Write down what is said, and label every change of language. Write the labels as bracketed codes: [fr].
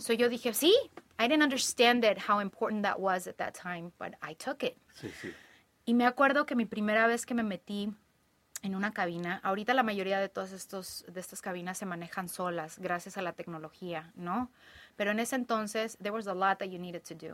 [en] So [es] yo dije, sí, [en] I didn't understand it, how important that was at that time, but I took it. [es] Sí, sí. Y me acuerdo que mi primera vez que me metí en una cabina, ahorita la mayoría de todas estas cabinas se manejan solas, gracias a la tecnología, ¿no? Pero en ese entonces, [en] there was a lot that you needed to do.